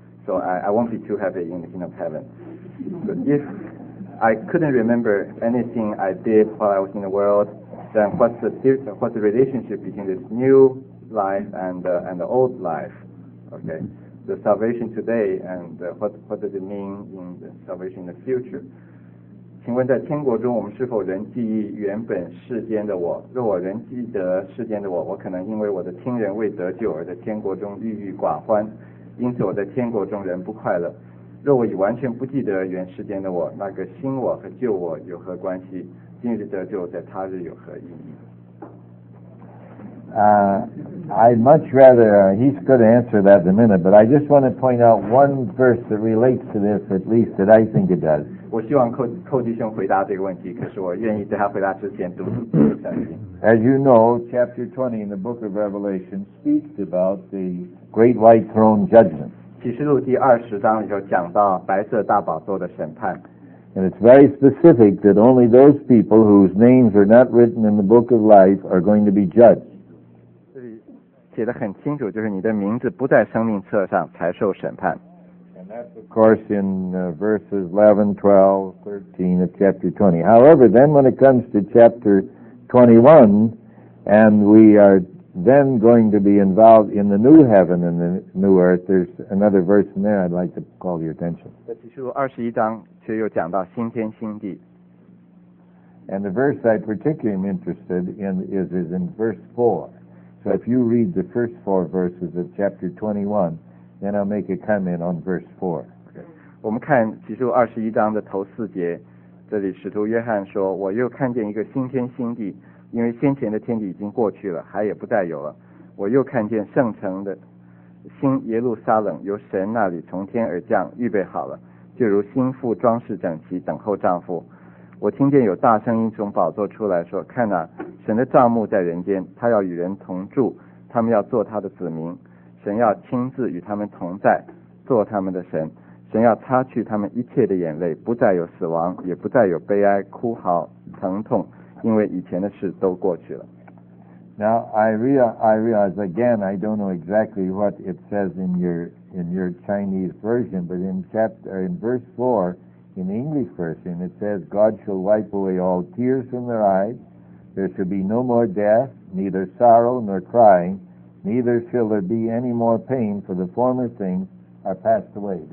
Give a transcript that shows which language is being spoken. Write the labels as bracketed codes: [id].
[en] So I won't be too happy in the kingdom of heaven. But if I couldn't remember anything I did while I was in the world, then what's the relationship between this new life and the old life? Okay, the salvation today and what does it mean in the salvation in the future? [zh] 请问在天国中我们是否仍记忆原本世间的我？若我仍记得世间的我，我可能因为我的亲人未得救而在天国中郁郁寡欢，因此我在天国中仍不快乐。若我已完全不记得原世间的我，那个新我和旧我有何关系？今日得救在他日有何意义？ [en] I'd much rather, he's going to answer that in a minute, but I just want to point out one verse that relates to this, at least that I think it does. [zh] 我希望寇弟兄回答这个问题，可是我愿意在他回答之前读一下。 [en] As you know, chapter 20 in the book of Revelation speaks about the great white throne judgment. [zh] 启示录第二十章就讲到白色大宝座的审判。 [en] And it's very specific that only those people whose names are not written in the book of life are going to be judged. [zh] 这里写得很清楚，就是你的名字不在生命册上才受审判。 [en] And that's of course in verses 11, 12, 13 of chapter 20. However, then when it comes to chapter 21, and we are... then going to be involved in the new heaven and the new earth. There's another verse in there I'd like to call your attention. [zh] 在启示录二十一章却又讲到新天新地。 [en] And the verse I particularly am interested in is in verse 4. So if you read the first four verses of chapter 21, then I'll make a comment on verse 4. Okay. [zh] 我们看启示录二十一章的头四节，这里使徒约翰说，我又看见一个新天新地，因为先前的天地已经过去了，海也不再有了。我又看见圣城的新耶路撒冷由神那里从天而降，预备好了，就如新妇装饰整齐，等候丈夫。我听见有大声音从宝座出来说，看哪，神的帐幕在人间，他要与人同住，他们要做他的子民，神要亲自与他们同在，做他们的神。神要擦去他们一切的眼泪，不再有死亡，也不再有悲哀、哭嚎、疼痛，因为以前的事都过去了。 [en] Now I realize again I don't know exactly what it says in your Chinese version, but in verse 4 in the English version it says God shall wipe away all tears from their eyes, there shall be no more death, neither sorrow nor crying, neither shall there be any more pain, for the former things are passed away.